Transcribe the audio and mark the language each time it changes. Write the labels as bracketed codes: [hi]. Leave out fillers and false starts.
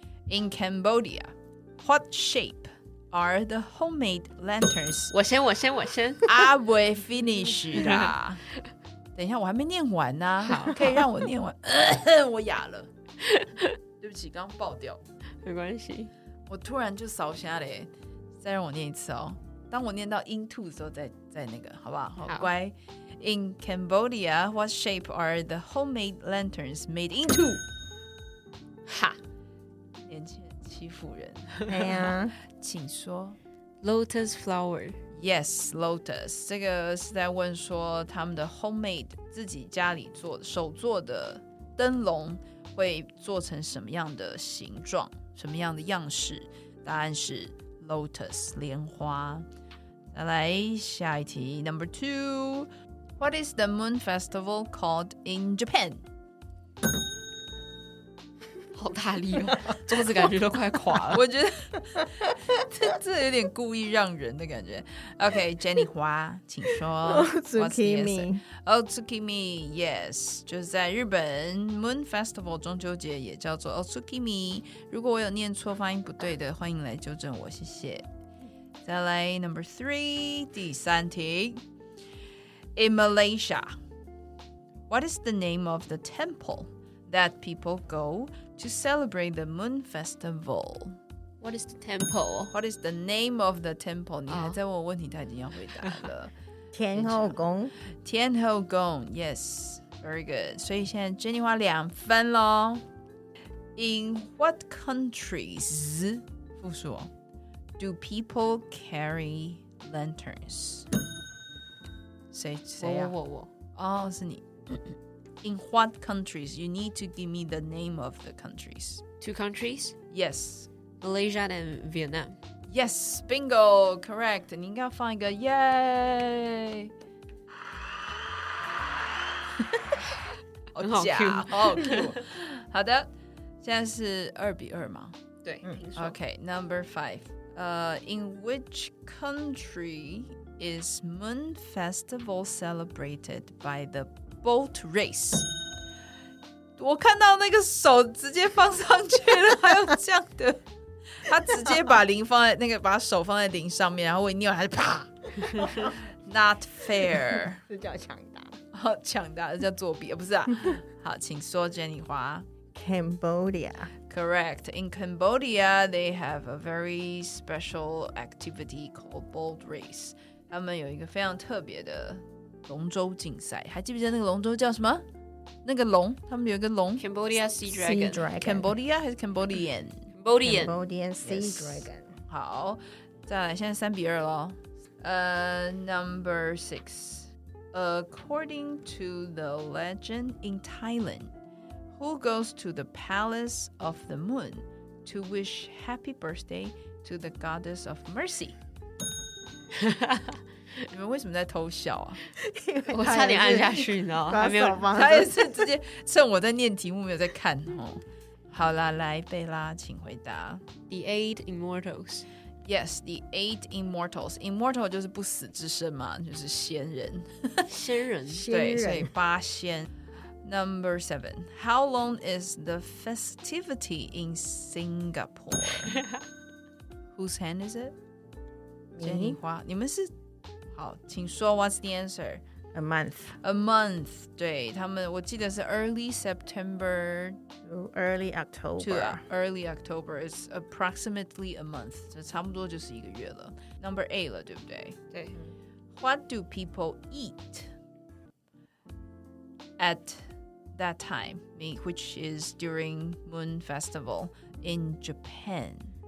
[en] In Cambodia, what shape are the homemade lanterns? [zh] 我先 [en] I will finish 啦。 [zh] 等一下，我还没念完呢、啊，可以让我念完。我哑了，对不起，刚爆掉，没关系。我突然就烧瞎了，再让我念一次哦。当我念到 into 的时候再那个，好不好？好乖。 [en] In Cambodia, what shape are the homemade lanterns made into? [zh] 哈，年轻人欺负人。哎呀，请说。 [en] Lotus flower. Yes, Lotus. [zh] 这个是在问说他们的 homemade 自己家里做手做的灯笼会做成什么样的形状，什么样的样式？答案是 Lotus, 莲花。再来下一题 ， [en] Number two. What is the Moon Festival called in Japan? [zh] 好大力哦，桌子感觉都快垮了。我觉得。这有点故意让人的感觉。 OK, Jenny 花请说。 [ja] Otsukimi. [zh] Otsukimi, yes, 就是在日本 Moon Festival 中秋节也叫做 Otsukimi。如果我有念错发音不对的，欢迎来纠正我，谢谢。再来 [en] Number 3, [zh] 第三题。 [en] In Malaysia, What is the name of the temple that people go to celebrate the Moon Festival? What is the temple? What is the name of the temple? [zh] 你还在问我问题，他已经要回答了。天后宫。天后宫 ， [en] Yes, very good. [zh] 所以现在 Jenny 花两分喽。 [en] In what countries, 复数 ，do people carry lanterns? [zh] 谁呀？我哦，是你。 [en] In what countries? You need to give me the name of the countries. Two countries? Yes. Malaysia and Vietnam. Yes, bingo, correct. [zh] 你应该要放一个 [en] yay. [zh] 很好 cute. 好 cute. 好的，现在是二比二吗？对，嗯、听说。 [en] Okay, number five. In which country is Moon Festival celebrated by the boat race? [zh] 我看到那个手直接放上去了，还有这样的。他直接把铃放在那个，把手放在铃上面，然后我一捏完，啪！ [en] Not fair， [zh] 这叫抢答。哦，抢答，这叫作弊，不是啊？好，请说 ，Jenny 花。 [en] Cambodia， correct. In Cambodia, they have a very special activity called boat race. [zh] 他们有一个非常特别的龙舟竞赛，还记不记得那个龙舟叫什么？那个龙，他们有一个龙 [en] ，Cambodia Sea Dragon. Cambodia [zh] 还是 [en] Cambodian？ Cambodian Sea、yes. Dragon. [zh] 好，再来，现在三比二咯。 [en] Number six. According to the legend in Thailand, who goes to the palace of the moon to wish happy birthday to the goddess of mercy? [zh] 你们为什么在偷笑啊？我差点按下去，你知道吗？还没有，他也是直接趁我在念题目没有在看哦。好啦，来贝拉，请回答。 [en] The Eight Immortals. Yes, the Eight Immortals. Immortal [zh] 就是不死之身嘛，就是仙人。仙人。对，所以八仙。 [en] Number 7. How long is the festivity in Singapore? Whose hand is it? Jenny Hua. [zh] 你们是好，请说 [en] what's the answer? A month. A month. [zh] 对，他们我记得是 [en] early September. Early October. To early October is approximately a month. [zh] 这差不多就是一个月了。 [en] Number 8 [zh] 了，对不对？对。 [en] What do people eat at that time, which is during Moon Festival in Japan?